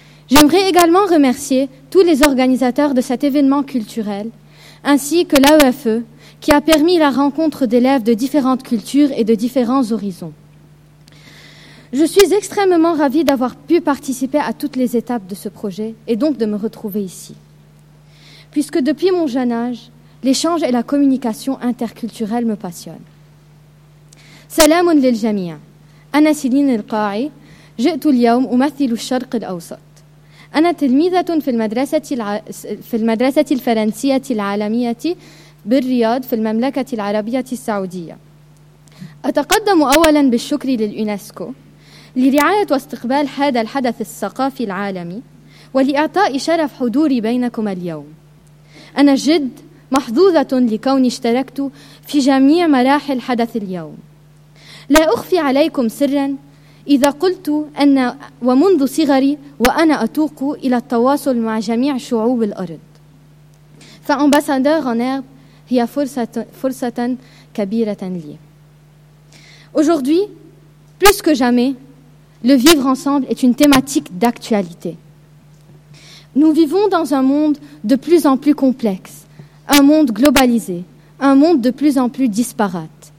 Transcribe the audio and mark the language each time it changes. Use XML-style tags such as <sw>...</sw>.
<fr>J'aimerais également remercier tous les organisateurs de cet événement culturel, ainsi que l'AEFE, qui a permis la rencontre d'élèves de différentes cultures et de différents horizons. Je suis extrêmement ravie d'avoir pu participer à toutes les étapes de ce projet, et donc de me retrouver ici. Puisque depuis mon jeune âge, l'échange et la communication interculturelle me passionnent.</fr> <ar>Salamun lil jami'a. أنا سيلين القاعي جئت اليوم أمثل الشرق الأوسط أنا تلميذة في المدرسة الفرنسية العالمية بالرياض في المملكة العربية السعودية أتقدم أولا بالشكر لليونسكو لرعاية واستقبال هذا الحدث الثقافي العالمي ولإعطاء شرف حضوري بينكم اليوم أنا جد محظوظة لكوني اشتركت في جميع مراحل حدث اليوم لا أخفي عليكم سرا إذا قلت أن ومنذ صغري وأنا أتوق إلى التواصل مع جميع شعوب الأرض فأمباسادور ان هيرب هي فرصة كبيرة لي.</ar> <fr>Aujourd'hui, plus que jamais, le vivre ensemble est une thématique d'actualité. Nous vivons dans un monde de plus en plus complexe, un monde globalisé, un monde de plus en plus disparate.</fr>